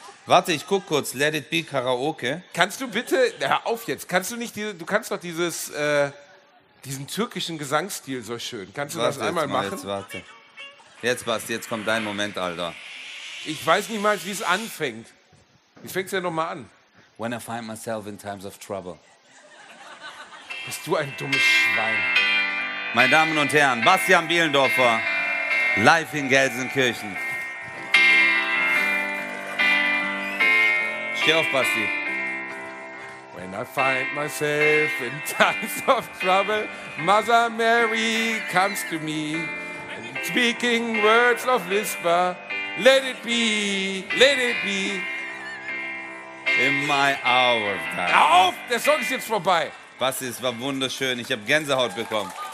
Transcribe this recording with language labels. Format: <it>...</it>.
<de>Warte, ich guck kurz, Let it be Karaoke. Kannst du bitte, hör auf jetzt, diesen türkischen Gesangsstil so schön, kannst du das einmal machen? Jetzt, warte. Jetzt, Basti, jetzt kommt dein Moment, Alter. Ich weiß nicht mal, wie es anfängt. Wie fängt es denn nochmal an?</de> <en>When I find myself in times of trouble.</en> <de>Bist du ein dummes Schwein. Meine Damen und Herren, Bastian Bielendorfer, live in Gelsenkirchen. Steh auf, Basti.</de> <en>When I find myself in times of trouble, Mother Mary comes to me, and speaking words of whisper, Let it be, let it be. In my hour of time.</en> <de>Hör auf, der Song ist jetzt vorbei. Basti, es war wunderschön. Ich habe Gänsehaut bekommen.</de>